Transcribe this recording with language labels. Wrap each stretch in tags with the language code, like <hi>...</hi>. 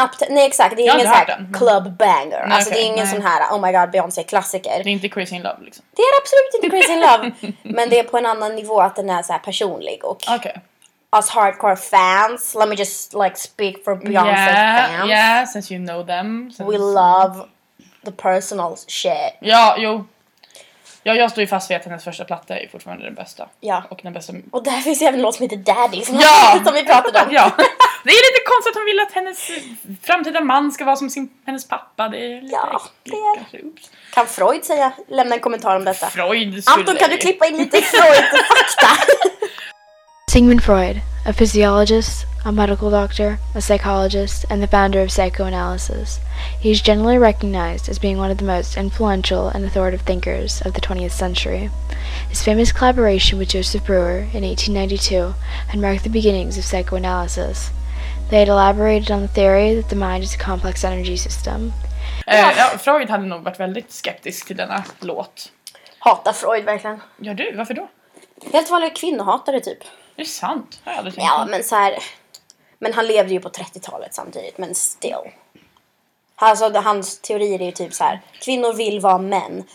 <sv>Nej, exakt. Det är ingen så här club banger. Nej, alltså okay, det är ingen sån här, oh my god, Beyoncé klassiker. Det är inte Crazy in Love liksom. Det är absolut inte Crazy in Love. Men det är på en annan nivå att den är så här personlig. Okej, okay.</sv> <en>Us hardcore fans, let me just like speak for Beyoncé fans. Yeah, since you know them. Since we love the personal shit.</en> <sv>Ja, jo. Ja, jag står ju fast vid att hennes första platta är fortfarande den bästa. Ja. Och den bästa. Och där finns även något som heter Daddy som, ja! Som vi pratade om. Ja. Det är lite konstigt att hon vill att hennes framtida man ska vara som hennes pappa. Det är lite äckligt. Kan Freud säga, lämna en kommentar om detta. Freud skulle... Anton, kan du klippa in lite Freud-fakta?</sv> <en>Sigmund Freud, a physiologist, a medical doctor, a psychologist, and the founder of psychoanalysis. He is generally recognized as being one of the most influential and authoritative thinkers of the 20th century. His famous collaboration with Joseph Breuer in 1892 had marked the beginnings of psychoanalysis. They had elaborated on the theory that the mind is a complex energy system.</en> <sv>Freud hade nog varit väldigt skeptisk till denna låt. Hatar Freud verkligen? Ja, du, varför då? Helt vanliga kvinnohatare typ. Det är sant. Ja, men så här, men han levde ju på 30-talet samtidigt, men still. Alltså, hans teorier är ju typ så här, kvinnor vill vara män.</sv>